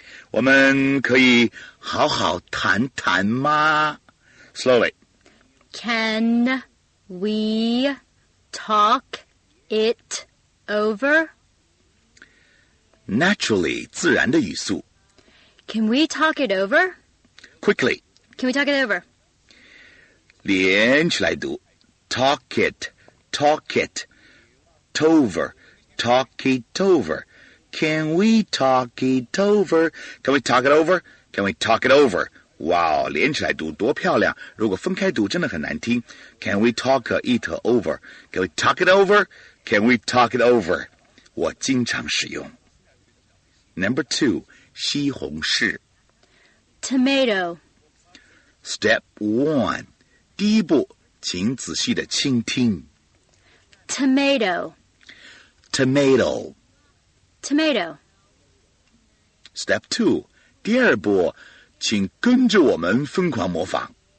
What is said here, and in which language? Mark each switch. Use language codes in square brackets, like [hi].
[zh] 我们可以好好谈谈吗？Slowly. [en] Can we talk it over? [zh] Naturally, 自然的语速。 [en] Can we talk it over? Quickly. Can we talk it over? [zh] 连起来读 [en] talk it, talk it, tover, talk it over. Can we talk it over? Can we talk it over? Can we talk it over? [zh] 哇哦，连起来读多漂亮，如果分开读真的很难听。 [en] Can we talk it over? Can we talk it over? Can we talk it over? [zh] 我经常使用。 [en] Number two, [zh] 西红柿。 [en] Tomato. Step one, [zh] 第一步，请仔细的倾听。 [en] Tomato. Tomato. Tomato. Step two, [zh] 第二步，请跟着我们疯狂模仿。